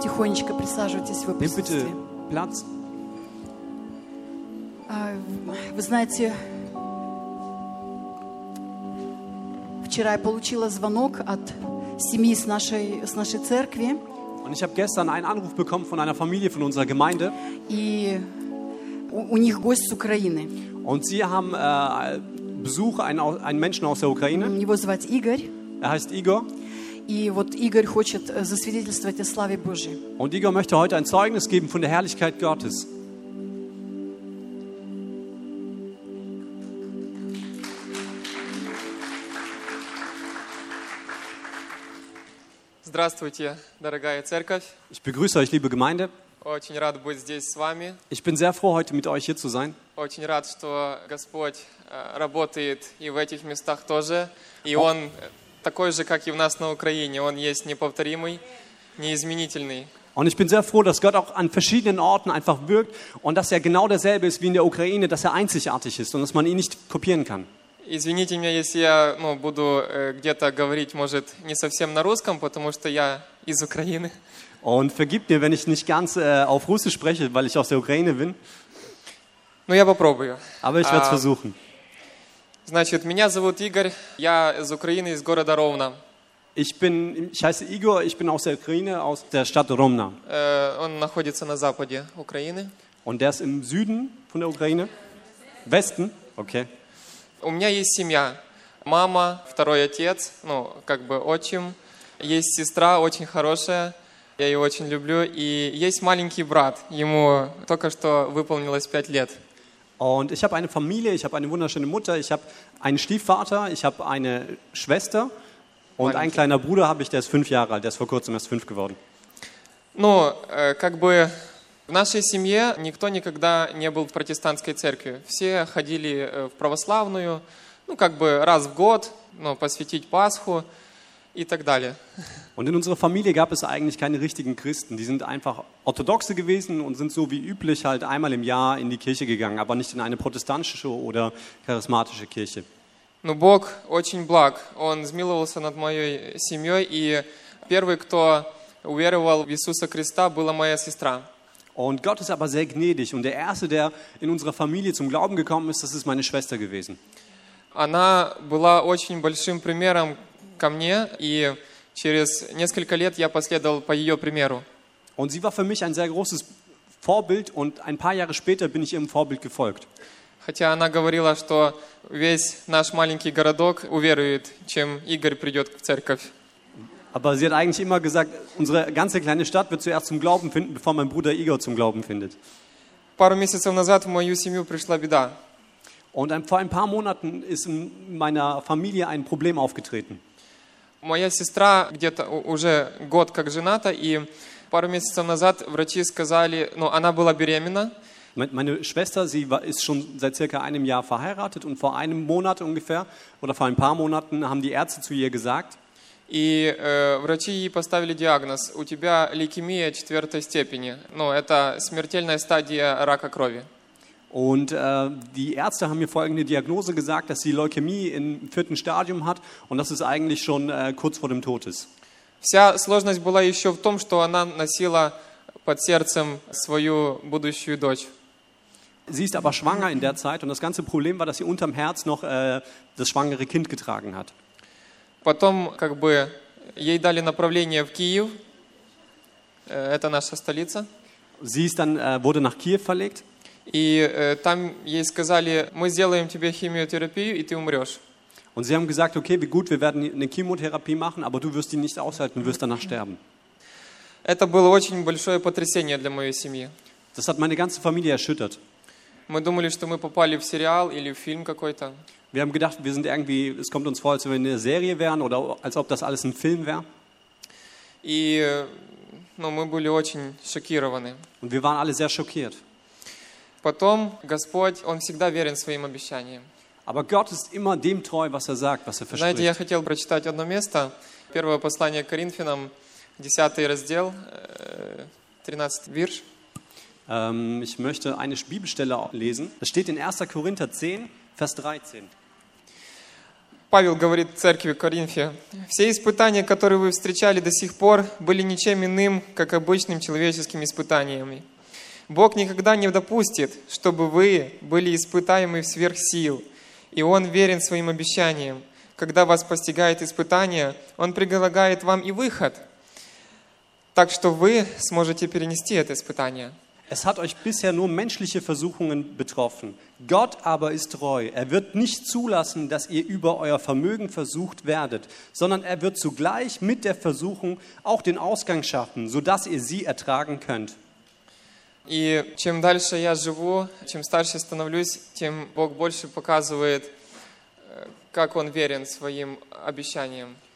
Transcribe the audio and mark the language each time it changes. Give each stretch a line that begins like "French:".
Russian: Тихонечко присаживайтесь в присутствии.
German: Bitte Platz.
Russian: Вы знаете, вчера я получила звонок от семьи с нашей церкви.
German: Und ich habe gestern einen Anruf bekommen von einer Familie von unserer Gemeinde.
Russian: И у них гость с Украины.
German: Und sie haben Besuch, einen Menschen aus der Ukraine.
Russian: Его зовут Игорь.
German: Er heißt Igor.
Russian: И вот Игорь хочет засвидетельствовать о славе Божьей.
German: Und Igor möchte heute ein Zeugnis geben von der Herrlichkeit Gottes.
Russian: Здравствуйте, дорогая церковь.
German: Ich begrüße euch, liebe Gemeinde.
Russian: Очень рад быть здесь с вами.
German: Ich bin sehr froh, heute mit euch hier zu sein.
Russian: Очень рад, что Господь работает и в этих местах тоже. И Он такой же, как и у нас на Украине. Он есть неповторимый, неизменительный.
German: Und ich bin sehr froh, dass Gott auch an verschiedenen Orten einfach wirkt und dass er genau derselbe ist wie in der Ukraine, dass er einzigartig ist und dass man ihn nicht kopieren kann.
Russian: Извините меня, если я, ну, буду где-то говорить, может, не совсем на русском, потому что я из Украины.
German: Und vergib mir, wenn ich nicht ganz auf Russisch spreche, weil ich aus der Ukraine bin.
Russian: Ну, я попробую.
German: Aber ich werde es versuchen.
Russian: Значит, меня зовут Игорь, я из Украины, из города Ровно.
German: Ich heiße Igor, ich bin aus der Ukraine, aus der Stadt Ровно.
Russian: Он находится на западе Украины.
German: Und der ist im Süden von der Ukraine? Westen? Okay.
Russian: У меня есть семья. Мама, второй отец, ну, как бы отчим. Есть сестра, очень хорошая. Я ее очень люблю. И есть маленький брат. Ему только что выполнилось 5 лет.
German: Und ich habe eine Familie, ich habe eine wunderschöne Mutter, ich habe einen Stiefvater, ich habe eine Schwester und einen kleinen Bruder habe ich, der ist 5 Jahre alt, der ist vor kurzem erst 5 geworden.
Russian: Ну, как бы в нашей семье никто никогда не был в протестантской церкви. Все ходили в православную, ну, как бы раз в год, ну, посвятить Пасху и так далее.
German: Und in unserer Familie gab es eigentlich keine richtigen Christen. Die sind einfach Orthodoxe gewesen und sind so wie üblich halt einmal im Jahr in die Kirche gegangen, aber nicht in eine protestantische oder charismatische Kirche.
Russian: Ну, Бог очень благ. Он смиловался над моей семьей, и первый, кто уверовал в Иисуса Христа, была моя сестра.
German: Und Gott ist aber sehr gnädig. Und der Erste, der in unserer Familie zum Glauben gekommen ist, das ist meine Schwester gewesen.
Russian: Она была очень большим примером ко мне, и через несколько лет я последовал по ее примеру.
German: Und sie war für mich ein sehr großes Vorbild und ein paar Jahre später bin ich ihrem Vorbild gefolgt.
Russian: Хотя она говорила, что весь наш маленький городок уверует, чем Игорь придет в церковь.
German: Aber sie hat eigentlich immer gesagt, unsere ganze kleine Stadt wird zuerst zum Glauben finden, bevor mein Bruder Igor zum Glauben findet.
Russian: Пару месяцев назад в мою семью пришла беда.
German: Und vor ein paar Monaten ist in meiner Familie ein Problem aufgetreten.
Russian: моя сестра где-то уже год как жената, и пару месяцев назад врачи сказали, ну, она была беременна.
German: Meine Schwester, sie ist schon seit circa einem Jahr verheiratet und vor einem Monat ungefähr oder vor ein paar Monaten haben die Ärzte zu ihr gesagt.
Russian: И врачи ей поставили диагноз: у тебя лейкемия четвертой степени. Ну, это смертельная стадия рака крови.
German: Und die Ärzte haben mir folgende Diagnose gesagt, dass sie Leukämie im vierten Stadium hat und das ist eigentlich schon kurz vor dem Tod ist.
Russian: Вся сложность была еще в том, что она носила под сердцем свою будущую дочь.
German: Sie ist aber schwanger in der Zeit und das ganze Problem war, dass sie unterm Herz noch das schwangere Kind getragen hat.
Russian: Потом как бы ей дали направление в Киев. Это наша столица.
German: Sie ist dann wurde nach Kiew verlegt.
Russian: И там ей сказали: мы сделаем тебе химиотерапию и ты умрешь.
German: Und sie haben gesagt: okay, wie gut, wir werden eine Chemotherapie machen, aber du wirst die nicht aushalten, wirst danach sterben.
Russian: Это было очень большое потрясение для моей семьи.
German: Das hat meine ganze Familie erschüttert.
Russian: Мы думали, что мы попали в сериал или в фильм какой-то.
German: Wir haben gedacht, wir sind irgendwie, es kommt uns vor, als ob wir in einer Serie wären oder als ob das alles ein Film wäre.
Russian: И, ну, мы были очень шокированы.
German: Und wir waren alle sehr schockiert.
Russian: Потом Господь, Он всегда верен своим обещаниям.
German: Aber Gott ist immer dem treu, was er sagt, was er verspricht.
Russian: Знаете, я хотел прочитать одно место. Первое послание к Коринфянам, 10 раздел, 13 вирш.
German: Ich möchte eine Bibelstelle lesen. Das steht in 1. Korinther 10, Vers 13.
Russian: Павел говорит церкви Коринфе: все испытания, которые вы встречали до сих пор, были ничем иным, как обычными человеческими испытаниями. Бог никогда не допустит, чтобы вы были испытаемы сверх сил, и Он верен своим обещаниям. Когда вас постигает испытание, Он предлагает вам и выход, так что вы сможете перенести это испытание.
German: Es hat euch bisher nur menschliche Versuchungen betroffen. Gott aber ist treu. Er wird nicht zulassen, dass ihr über euer Vermögen versucht werdet, sondern er wird zugleich mit der Versuchung auch den Ausgang schaffen, sodass ihr sie ertragen könnt.
Russian: И чем дальше я живу, чем старше становлюсь, тем Бог больше показывает, как Он верен своим обещаниям.